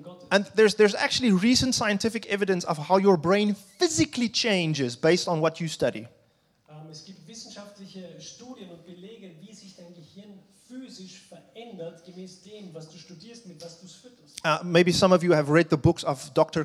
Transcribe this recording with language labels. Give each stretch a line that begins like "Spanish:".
English: And there's actually recent scientific evidence of how your brain physically changes based on what you study.
German: Es gibt wissenschaftliche Studien und Belege, wie sich dein Gehirn physisch verändert gemäß dem, was du studierst, mit was du es fütterst.
English: Maybe some of you have read the books of Dr.